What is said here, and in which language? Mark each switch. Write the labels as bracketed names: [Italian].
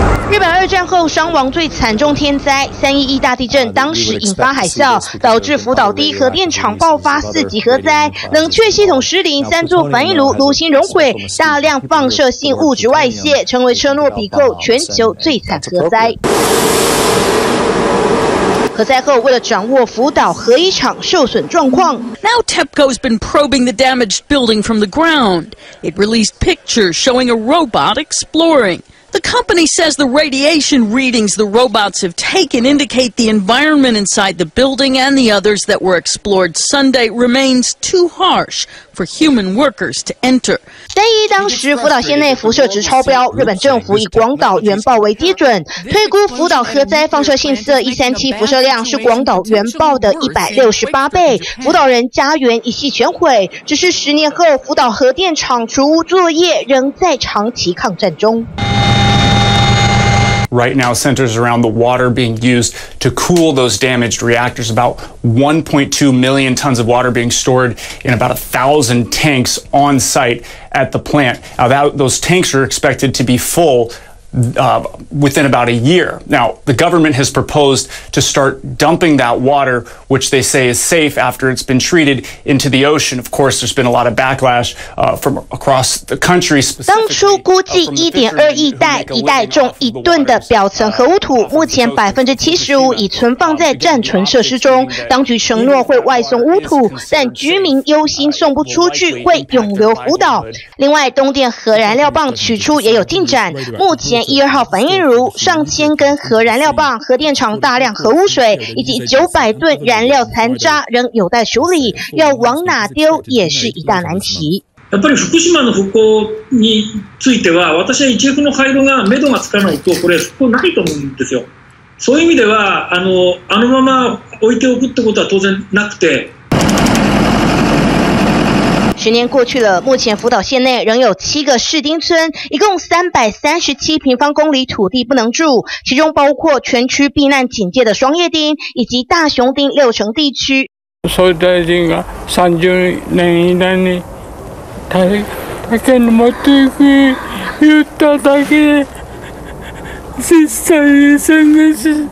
[Chinese] 日本二战后伤亡最惨重天灾311大地震，当时引发海啸，导致福岛第一核电厂爆发4级核灾，冷却系统失灵，3座反应炉炉心熔毁，大量放射性物质外泄，成为车诺比后全球最惨核灾。核灾后，为了掌握福岛核一厂受损状况 [English] ，Now TEPCO has been probing the damaged building from the ground. It released pictures showing a robot exploring. The company says the radiation readings the robots have taken indicate the environment inside the building and the others that were explored Sunday remains too harsh for human workers to enter. [Chinese] 三一当时，福岛县内辐射值超标，日本政府以广岛原爆为基准，推估福岛核灾放射性铯137辐射量是广岛原爆的168倍。福岛人家园一系全毁，只是10年后，福岛核电厂除污作业仍在长期抗战中。 [English] Right now centers around the water being used to cool those damaged reactors. About 1.2 million tons of water being stored in about 1,000 tanks on site at the plant. Those tanks are expected to be full within about a year. Now, the government has proposed to start dumping that water, which they say is safe after it's been treated, into the ocean. Of course, there's been a lot of backlash from across the country. [Chinese] 当初估计1.2亿袋，一袋重一吨的表层核污土，目前75%已存放在暂存设施中。当局承诺会外送污土，但居民忧心送不出去会永留福岛。另外，东电核燃料棒取出也有进展，目前。 1、2号反应炉上千根核燃料棒，核电厂大量核污水以及900吨燃料残渣仍有待处理，要往哪丢也是一大难题。 [Japanese] やっぱり福島の復興については私は HF の廃炉が目処がつかないとこれ復興ないと思うんですよ。そういう意味ではあのまま置いておくってことは当然なくて。 [Chinese] 十年过去了，目前福岛县内仍有七个市町村，一共337平方公里土地不能住，其中包括全区避难警戒的双叶町以及大熊町六城地区。 [Japanese] 総理大臣が30年以内に竹沼地区言っただけで実際に宣言し